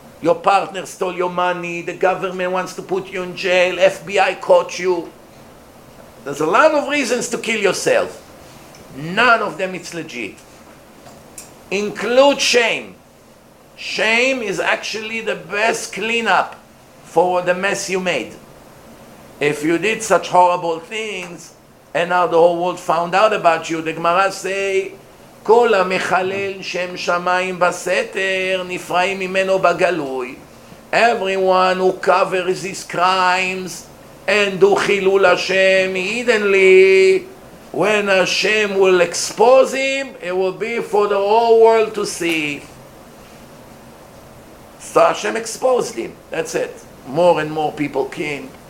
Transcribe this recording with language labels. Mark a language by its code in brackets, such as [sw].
[en] Your partner stole your money, the government wants to put you in jail, FBI caught you. There's a lot of reasons to kill yourself. None of them is legit. Include shame. Shame is actually the best cleanup for the mess you made. If you did such horrible things, and now the whole world found out about you, the Gemara say, [he] כל המחלל שם שמיים בסתר נפרעים ממנו בגלוי. [en] Everyone who covers his crimes and do חילול השם hiddenly, when Hashem will expose him, it will be for the whole world to see. So Hashem exposed him. That's it. More and more people came.